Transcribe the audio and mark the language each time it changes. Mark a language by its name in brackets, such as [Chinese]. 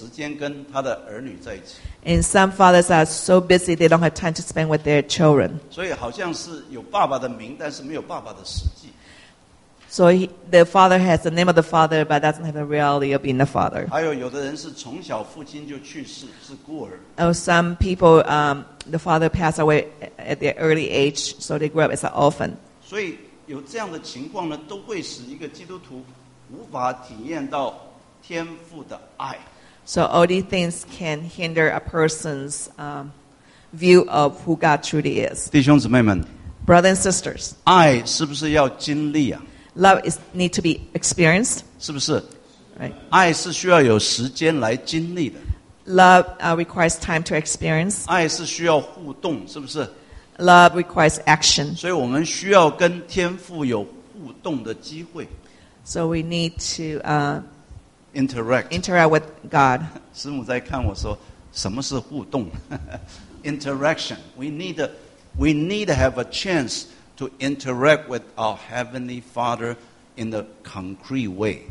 [Chinese] 还有有的父亲太忙碌，根本没有时间跟他的儿女在一起。And [English] some fathers are so busy they don't have time to spend with their children. [Chinese] 所以好像是有爸爸的名，但是没有爸爸的实际。So [English] the father has the name of the father, but doesn't have the reality of being the father. [Chinese] 还有有的人是从小父亲就去世，是孤儿。Oh, [English] some people, the father passed away at their early age, so they grew up as an orphan. [Chinese] 所以有这样的情况呢，都会使一个基督徒 无法体验到天父的爱。So [English] all these things can hinder a person's view of who God truly is. [Chinese] 弟兄姊妹们, [English] brothers and sisters, [Chinese] 爱是不是要经历啊? [English] Love is need to be experienced. [Chinese] 是不是? [English] Right. [Chinese] 爱是需要有时间来经历的。 [English] Love requires time to experience. [Chinese] 爱是需要互动, 是不是? [English] Love requires action. [Chinese] 所以我们需要跟天父有互动的机会。 [English] So we need to interact with God. [Chinese] 师母在看我说，什么是互动？ [English] Interaction. We need to have a chance to interact with our Heavenly Father in a concrete way.